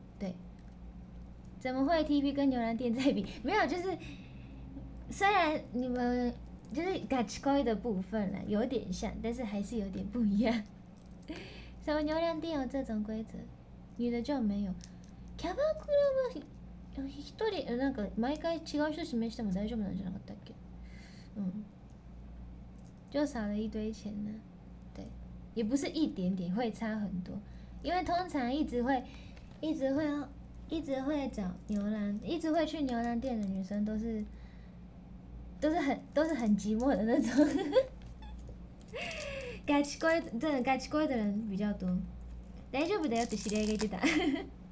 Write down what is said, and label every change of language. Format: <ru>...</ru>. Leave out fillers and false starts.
<zh>对，怎么会 TP 跟牛郎店在比？没有，就是虽然你们就是 Gachikoi 的部分啦有点像，但是还是有点不一样。什么牛郎店有这种规则，女的就没有。</zh> <ja>キャバクラは一人なんか毎回違う人指名しても大丈夫なんじゃなかったっけ？嗯。</ja> <zh>就少了一堆钱呢，对，也不是一点点，会差很多，因为通常一直会找牛郎，一直会去牛郎店的女生都是很寂寞的那种，该奇怪真的该奇怪的人比较多，</zh> <ja>大丈夫だよって知り合いが言ってた。</ja>